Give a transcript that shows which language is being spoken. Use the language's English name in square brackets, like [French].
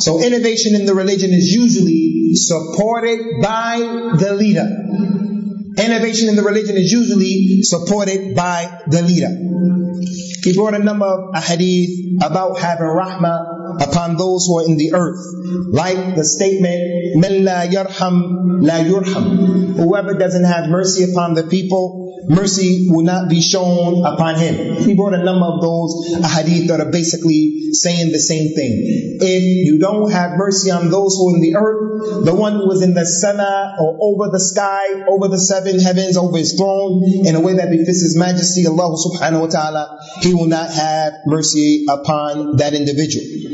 [English] So innovation in the religion is usually supported by the leader. Innovation in the religion is usually supported by the leader. He brought a number of hadith about having rahmah upon those who are in the earth. Like the statement, [Arabic] مَنْ لَا يَرْحَمْ لَا يُرْحَمْ. [English] Whoever doesn't have mercy upon the people, mercy will not be shown upon him. He brought a number of those hadith that are basically saying the same thing. If you don't have mercy on those who are in the earth, the one who is in the sana or over the sky, over the seven heavens, over his throne, in a way that befits his majesty, Allah subhanahu wa ta'ala, he will not have mercy upon that individual.